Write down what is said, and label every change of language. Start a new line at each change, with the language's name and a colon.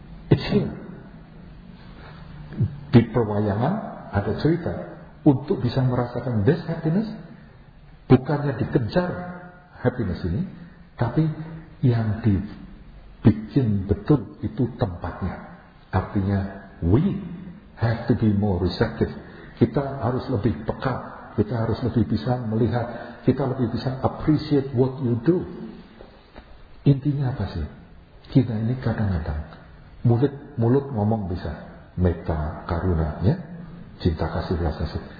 English: It's here.
Indonesian: Di perwayangan ada cerita, untuk bisa merasakan
English: this happiness,
Indonesian: bukannya dikejar happiness ini, tapi yang dibikin betul itu tempatnya. Artinya
English: we have to be more receptive.
Indonesian: Kita harus lebih peka, kita harus lebih bisa melihat, kita lebih bisa
English: appreciate what you do.
Indonesian: Intinya apa sih? Kita ini kadang-kadang mulut ngomong bisa, metta, karuna, ya, cinta kasih, belas kasih.